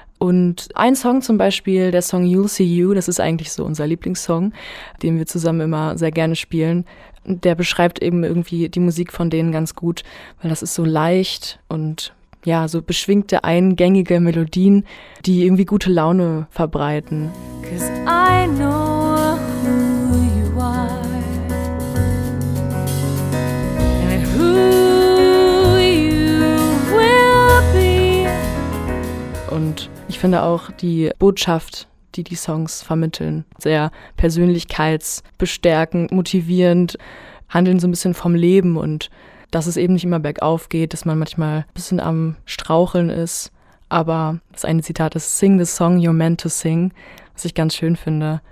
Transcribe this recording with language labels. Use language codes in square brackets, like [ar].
[de] Und ein Song zum Beispiel, der Song You'll See You, das ist eigentlich so unser Lieblingssong, den wir zusammen immer sehr gerne spielen. Der beschreibt eben irgendwie die Musik von denen ganz gut, weil das ist so leicht und ja, so beschwingte, eingängige Melodien, die irgendwie gute Laune verbreiten. [en] 'Cause I know who you are and who you will be. [de] Und ich finde auch die Botschaft, die die Songs vermitteln, sehr persönlichkeitsbestärkend, motivierend, handeln so ein bisschen vom Leben und dass es eben nicht immer bergauf geht, dass man manchmal ein bisschen am Straucheln ist. Aber das eine Zitat ist, [en] sing the song you're meant to sing, [de] was ich ganz schön finde.